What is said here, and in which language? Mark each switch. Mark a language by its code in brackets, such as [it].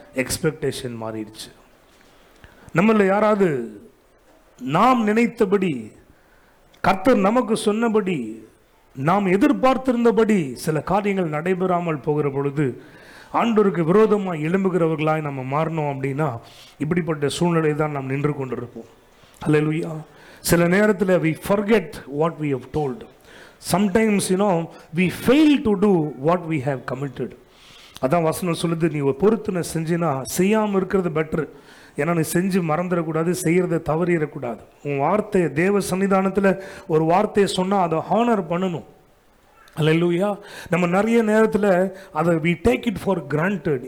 [ta] Expectation மாறிடுச்சு. நம்மளில் யாராவது நாம் நினைத்தபடி கர்த்தர் நமக்கு சொன்னபடி நாம் எதிர்பார்த்திருந்தபடி சில காரியங்கள் நடைபெறாமல் போகிற பொழுது ஆண்டவருக்கு விரோதமாக எழும்புகிறவர்களாய் நம்ம மாறணும் அப்படின்னா இப்படிப்பட்ட சூழ்நிலை தான் நாம் நின்று கொண்டிருப்போம். ஹல்லேலூயா! சில நேரத்தில் [en] We forget what we have told. Sometimes, you know, we fail to do what we have committed. [ta] அதான் வசனம் சொல்லுது, நீ ஒரு பொறுத்துன செஞ்சுனா செய்யாமல் இருக்கிறது பெட்டர். ஏன்னா நீ செஞ்சு மறந்துடக்கூடாது, செய்கிறத தவறிடக்கூடாது. உன் வார்த்தையை தேவ சன்னிதானத்தில் ஒரு வார்த்தையை சொன்னால் அதை ஹானர் பண்ணணும். அல்லேலூயா! நம்ம நிறைய நேரத்தில் அதை [en] We take it for granted.